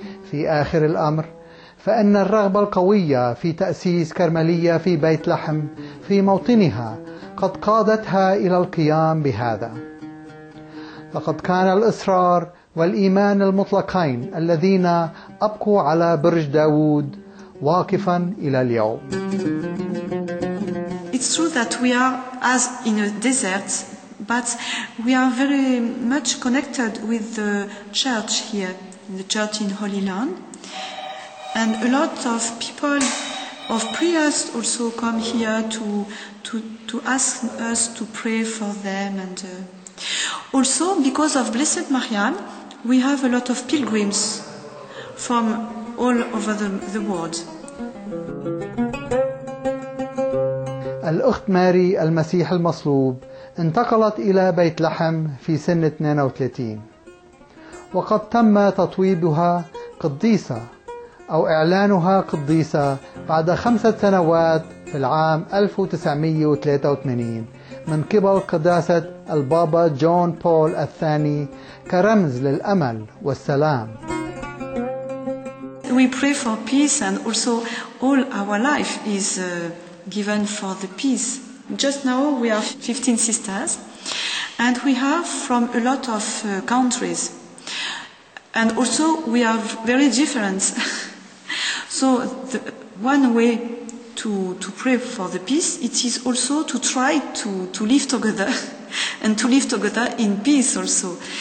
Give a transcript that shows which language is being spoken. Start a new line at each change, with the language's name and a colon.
Arabic: في آخر الأمر، فإن الرغبة القوية في تأسيس كرملية في بيت لحم في موطنها قد قادتها إلى القيام بهذا. لقد كان الإصرار والإيمان المطلقين الذين أبقوا على برج داود واقفا إلى اليوم.
English: It's true that we are as in a desert, but we are very much connected with the church here, the church in Holy Land. And a lot of people, of priests also come here to ask us to pray for them. And also because of Blessed Marianne, we have a lot of pilgrims from all over the world.
Arabic: الأخت ماري المسيح المصلوب انتقلت إلى بيت لحم في سن 32، وقد تم تطويبها قديسة أو إعلانها قديسة بعد 5 سنوات في العام 1983 من قبل قداسة البابا جون بول الثاني كرمز للأمل والسلام.
English: We pray for peace and also all our life is given for the peace. Just now we are 15 sisters and we have from a lot of countries. And also we have very different. So the one way to pray for the peace, it is also to try to live together and to live together in peace also.